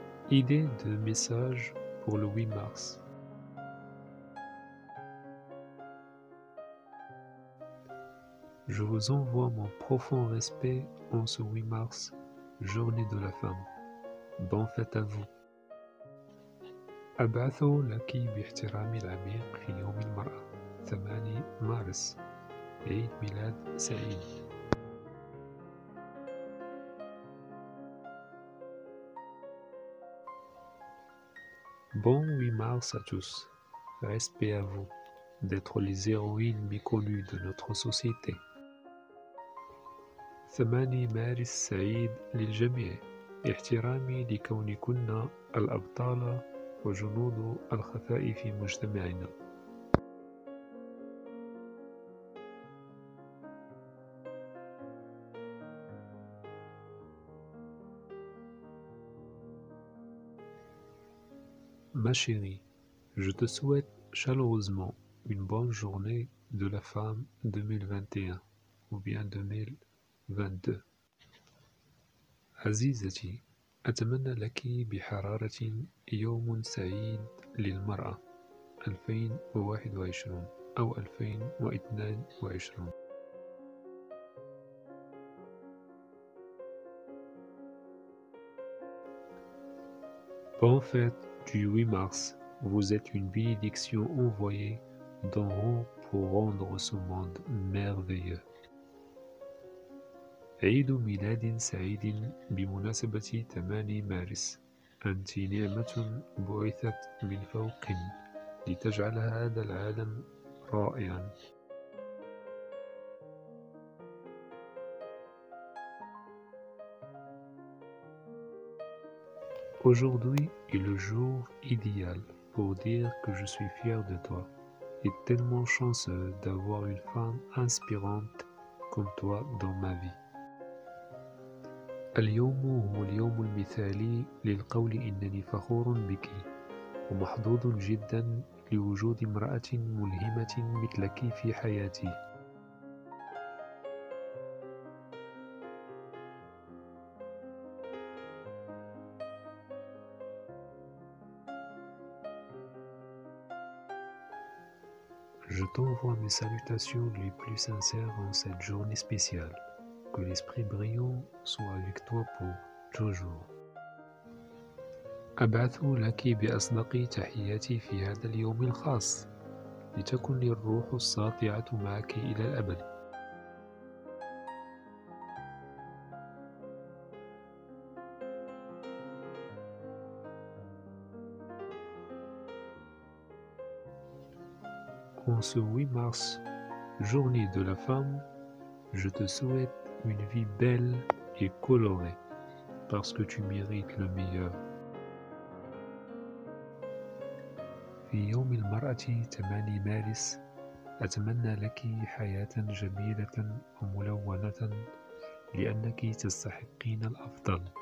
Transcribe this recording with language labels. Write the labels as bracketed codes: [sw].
[fr] Idée de message pour le 8 mars. Je vous envoie mon profond respect en ce 8 mars, journée de la femme. Bonne fête à vous. [ar] أبعث لك باحترامي العميق في يوم المرأة 8 مارس عيد ميلاد سعيد. [fr] Bon 8 mars à tous. Respect à vous d'être les héroïnes méconnues de notre société. [ar] ثماني مارس سعيد للجميع. احترامي لكونكن الأبطال وجنود الخفاء في مجتمعنا. [fr] Ma chérie, je te souhaite chaleureusement une bonne journée de la femme 2021 ou bien 2022. [ar] عزيزتي, أتمنى لك بحرارة يوم سعيد للمرأة 2021 أو 2022. [fr] Bonne fête du 8 mars, vous êtes une bénédiction envoyée d'en haut pour rendre ce monde merveilleux. [ar] عيد ميلاد سعيد بمناسبة 8 مارس. أنت نعمة بعثت من فوق لتجعل هذا العالم رائعا. [fr] Aujourd'hui est le jour idéal pour dire que je suis fier de toi et tellement chanceux d'avoir une femme inspirante comme toi dans ma vie. [ar] اليوم هو اليوم المثالي للقول إنني فخور بك ومحظوظ جدا لوجود امرأة ملهمة مثلك في حياتي. [fr] Je t'envoie mes salutations les plus sincères en cette journée spéciale. Que l'esprit brillant soit avec toi pour toujours. [ar] أبعث لك بأصدقي تحياتي في هذا اليوم الخاص لتكن الروح الساطعة معك إلى الأبد. [fr] En ce 8 mars, journée de la femme, je te souhaite une vie belle et colorée, parce que tu mérites le meilleur. [ar] في يوم المرأة 8 مارس أتمنى لك حياة جميلة وملونة لأنك تستحقين الأفضل.